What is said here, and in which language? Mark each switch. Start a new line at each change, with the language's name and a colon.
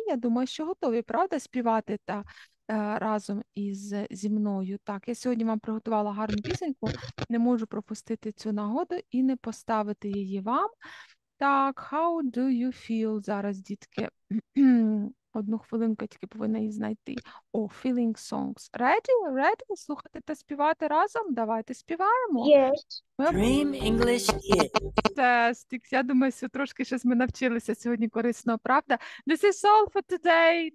Ukrainian: Я думаю, що готові, правда, співати та разом із зі мною. Так, я сьогодні вам приготувала гарну пісеньку. Не можу пропустити цю нагоду і не поставити її вам.
English: Так, how do you feel зараз, дітки?
Ukrainian: Одну хвилинку тільки повинна її знайти.
English: Oh, feeling songs. Ready? Ready?
Ukrainian: Слухати та співати разом? Давайте співаємо.
English: Yes. Dream English Kids. Test.
Ukrainian: Я думаю, що трошки щось ми навчилися сьогодні корисного, правда?
English: This is all for today.